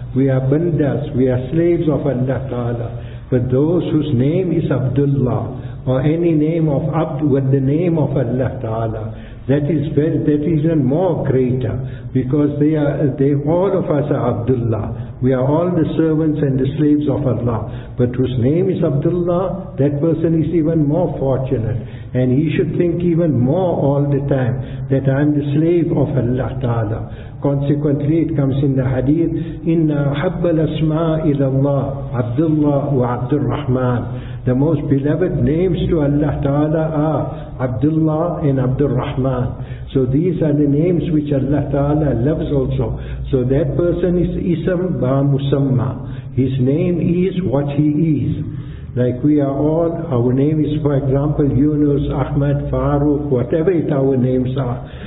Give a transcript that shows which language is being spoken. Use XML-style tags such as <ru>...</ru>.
<en>We are bandas, we are slaves of Allah Ta'ala. But those whose name is Abdullah, or any name of Abd with the name of Allah Ta'ala, that is even more greater, because they all of us are Abdullah. We are all the servants and the slaves of Allah. But whose name is Abdullah, that person is even more fortunate. And he should think even more all the time that I am the slave of Allah Ta'ala. Consequently, it comes in the hadith,</en> <ar>إِنَّا أَحَبَّ الْأَسْمَاءِ إِلَى اللَّهِ عَبْدُ اللَّهِ وَعَبْدُ الرَّحْمَنِ.</ar> <en>The most beloved names to Allah Ta'ala are Abdullah and Abdul Rahman. So these are the names which Allah Ta'ala loves also. So that person is Ism Ba Musamma. His name is what he is. like we are all, our name is, for example, Yunus, Ahmad, Farooq, whatever it our names are.</en>